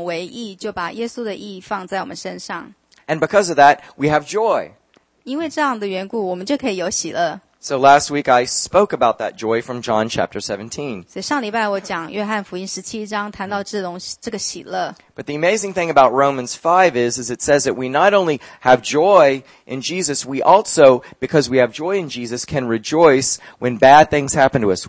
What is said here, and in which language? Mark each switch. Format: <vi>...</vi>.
<zh>如果我们相信耶稣的话，上帝就算我们为义，就把耶稣的义放在我们身上。</zh> <en>And because of that, we have joy.</en> <zh>因为这样的缘故，我们就可以有喜乐。</zh> <en>So last week I spoke about that joy from John chapter 17.</en> <zh>所以上礼拜我讲约翰福音17章，谈到这种这个喜乐。</zh> <en>But the amazing thing about Romans 5 is it says that we not only have joy in Jesus, we also, because we have joy in Jesus, can rejoice when bad things happen to us.</en>